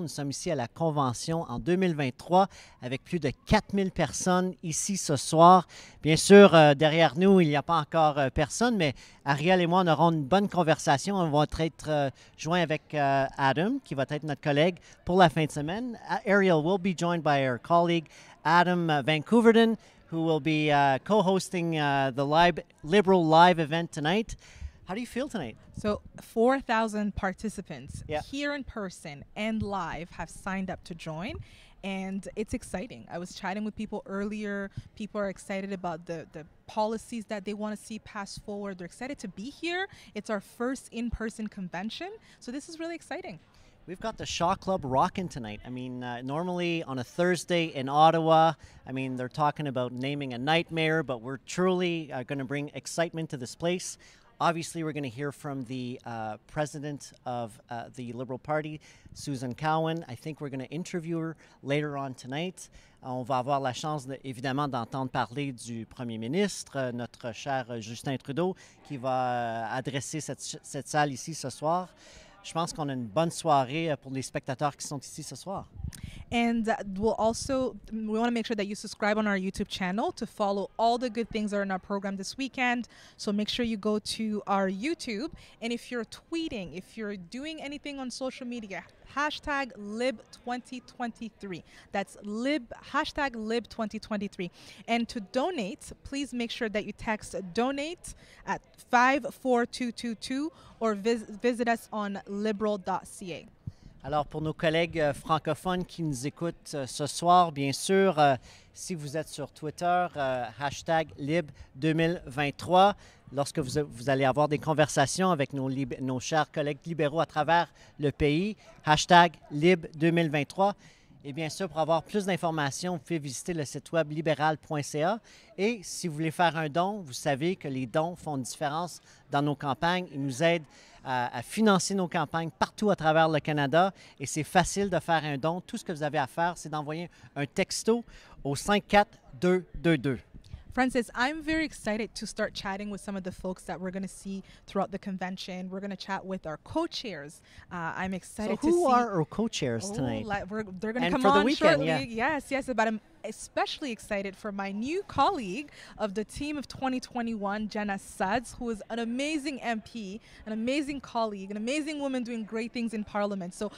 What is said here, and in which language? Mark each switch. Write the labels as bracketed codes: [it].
[fr] Nous sommes ici à la convention en 2023 avec plus de 4000 personnes ici ce soir. Bien sûr, derrière nous, il n'y a pas encore personne, mais Ariel et moi, on aura une bonne conversation. On va être joints avec Adam, qui va être notre collègue pour la fin de semaine. [en] Ariel will be joined by our colleague Adam Vancouverden, who will be co-hosting the Liberal Live event tonight. How do you feel tonight? So 4,000 participants here in person and live have signed up to join. And it's exciting. I was chatting with people earlier. People are excited about the policies that they want to see pass forward. They're excited to be here. It's our first in-person convention. So this is really exciting. We've got the Shaw Club rocking tonight. I mean, normally on a Thursday in Ottawa, I mean, they're talking about naming a nightmare, but we're truly going to bring excitement to this place. Obviously, we're going to hear from the president of the Liberal Party, Suzanne Cowan. I think we're going to interview her later on tonight. [fr] On va avoir la chance, évidemment, d'entendre parler du premier ministre, notre cher Justin Trudeau, qui va adresser cette salle ici ce soir. Je pense qu'on a une bonne soirée pour les spectateurs qui sont ici ce soir. [en] And we'll also, we want to make sure that you subscribe on our YouTube channel to follow all the good things that are in our program this weekend. So make sure you go to our YouTube. And if you're tweeting, if you're doing anything on social media, hashtag Lib2023. That's hashtag Lib2023. And to donate, please make sure that you text donate at 54222 or visit us on liberal.ca. [fr] Alors, pour nos collègues francophones qui nous écoutent ce soir, bien sûr, si vous êtes sur Twitter, hashtag Lib2023, lorsque vous allez avoir des conversations avec nos chers collègues libéraux à travers le pays, hashtag Lib2023. Et bien sûr, pour avoir plus d'informations, vous pouvez visiter le site web libéral.ca. Et si vous voulez faire un don, vous savez que les dons font une différence dans nos campagnes. Ils nous aident à financer nos campagnes partout à travers le Canada. Et c'est facile de faire un don. Tout ce que vous avez à faire, c'est d'envoyer un texto au 54222. [en] Francis, I'm very excited to start chatting with some of the folks that we're going to see throughout the convention. We're going to chat with our co-chairs. I'm excited to see... So who are our co-chairs tonight? They're going to come on shortly. And for the weekend, Yes, but I'm especially excited for my new colleague of the team of 2021, Jenna Suds, who is an amazing MP, an amazing colleague, an amazing woman doing great things in Parliament.